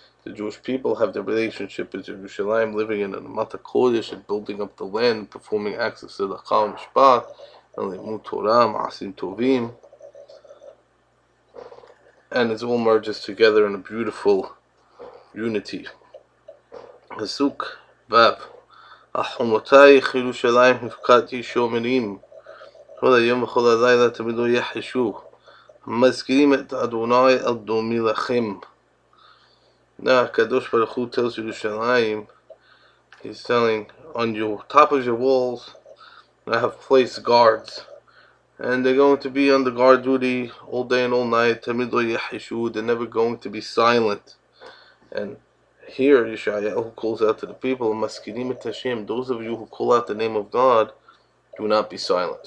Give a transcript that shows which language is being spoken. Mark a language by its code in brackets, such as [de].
[en] The Jewish people have their relationship with Yerushalayim, living in the Mata Kodesh and building up the land, performing acts of Siddachah and Mishpat, and Limut Torah, Ma'asim Tovim. And it all merges together in a beautiful unity. Pasuk Vav. [he] חומותייך ירושלים הפקדתי שומרים. כל היום וכל הלילה תמיד לא יחשו. מזכירים את אדוני אדומי לכם. [en] הקדוש ברוך הוא tells ירושלים, he's telling, on your top of your walls, I have placed guards. And they're going to be on the guard duty all day and all night. [he] תמיד לא יחשו. [en] They're never going to be silent. And here Yeshayahu calls out to the people, [he] Maskinim et Hashem, [en] those of you who call out the name of God, do not be silent.